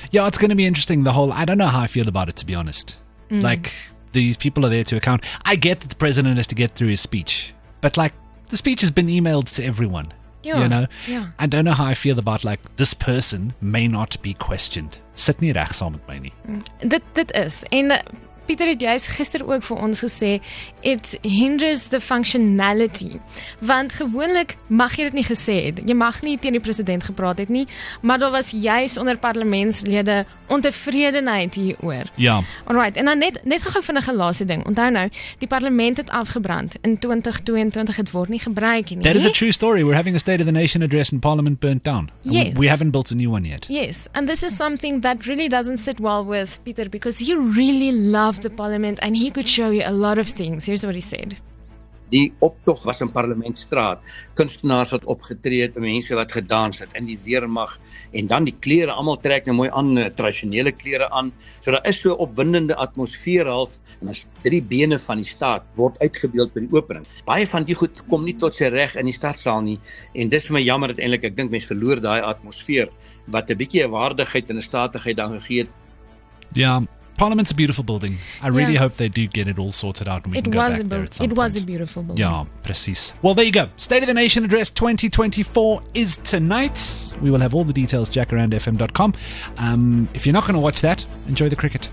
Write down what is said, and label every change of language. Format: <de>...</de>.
<en>Yeah, it's going to be interesting. The whole, I don't know how I feel about it, to be honest. Mm. Like, these people are there to account. I get that the president has to get through his speech. But, like, the speech has been emailed to everyone. Yeah. You know? Yeah. I don't know how I feel about, like, this person may not be questioned.</en> <af>Sit nie reg saam met my nie. Dit is. En Pieter het juist gister ook vir ons gesê,</af> <en>it hinders the functionality.</en> <af>Want gewoonlik mag jy dit nie gesê het. Jy mag nie teen die president gepraat het nie, maar daar was juist onder parlementslede ontevredenheid hieroor. Ja. Alright, en dan net gegaan van 'n gelaste ding. Onthou nou, die parlement het afgebrand. In 2022 het word nie gebruik nie.</af> <en>That is a true story. We're having a State of the Nation address and parliament burnt down. And yes. We haven't built a new one yet. Yes, and this is something that really doesn't sit well with Pieter because he really loved the parliament and he could show you a lot of things. Here's what he said.</en> <af>Die optog was in parlementstraat. Kunstenaars wat opgetree het, mense wat gedans het in die weermag en dan die klere allemaal trek nou mooi aan, traditionele klere aan. So daar is so 'n opwindende atmosfeer half en as drie bene van die staat word uitgebeeld by die opening. Baie van die goed kom nie tot sy reg in die stadsaal nie en dis vir my jammer dat eintlik ek dink mense verloor daai atmosfeer wat 'n bietjie 'n waardigheid en 'n statigheid dan gegee het.</af> <en>Ja. Parliament's a beautiful building. I really hope they do get it all sorted out and we can go back there at some point. It was a beautiful building. Yeah, precies. Well, there you go. State of the Nation Address 2024 is tonight. We will have all the details at jacarandfm.com. If you're not going to watch that, enjoy the cricket.</en>